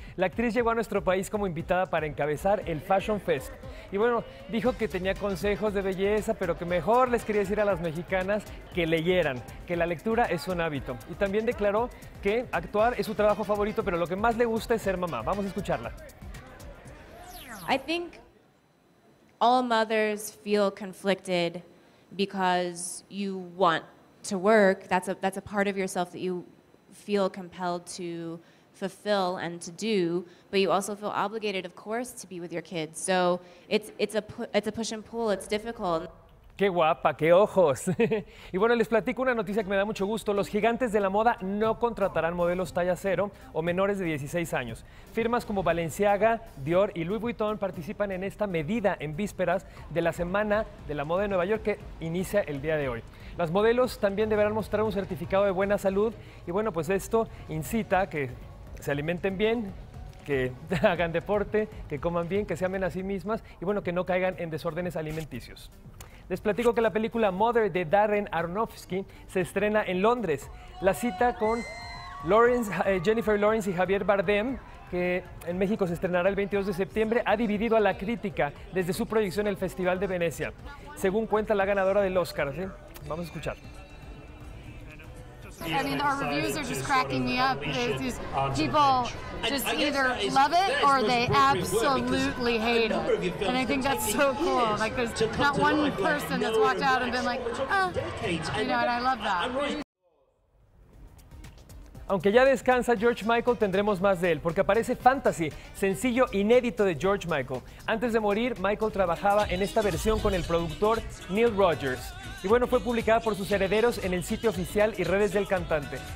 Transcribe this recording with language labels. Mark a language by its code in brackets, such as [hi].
[es] La actriz llegó a nuestro país como invitada para encabezar el Fashion Fest. Y bueno, dijo que tenía consejos de belleza, pero que mejor les quería decir a las mexicanas que leyeran, que la lectura es un hábito. Y también declaró que actuar es su trabajo favorito, pero lo que más le gusta es ser mamá. Vamos a escucharla. [en] I think all mothers feel conflicted because you want to work, that's a part of yourself that you feel compelled to fulfill and to do, but you also feel obligated, of course, to be with your kids. So it's a push and pull, it's difficult. [es] ¡Qué guapa! ¡Qué ojos! Y bueno, les platico una noticia que me da mucho gusto. Los gigantes de la moda no contratarán modelos talla cero o menores de 16 años. Firmas como Balenciaga, Dior y Louis Vuitton participan en esta medida en vísperas de la Semana de la Moda de Nueva York, que inicia el día de hoy. Las modelos también deberán mostrar un certificado de buena salud y bueno, pues esto incita a que se alimenten bien, que hagan deporte, que coman bien, que se amen a sí mismas y bueno, que no caigan en desórdenes alimenticios. Les platico que la película Mother de Darren Aronofsky se estrena en Londres. La cita con Jennifer Lawrence y Javier Bardem, que en México se estrenará el 22 de septiembre, ha dividido a la crítica desde su proyección en el Festival de Venecia, según cuenta la ganadora del Oscar. ¿Sí? Vamos a escuchar. [en] I mean, our reviews are just cracking me up. These people just either love it or they absolutely hate it. And I think that's so cool. Like, there's not one person that's walked out and been like, oh, you know, and I love that. [es] Aunque ya descansa George Michael, tendremos más de él, porque aparece Fantasy, sencillo inédito de George Michael. Antes de morir, Michael trabajaba en esta versión con el productor Neil Rogers. Y bueno, fue publicada por sus herederos en el sitio oficial y redes del cantante.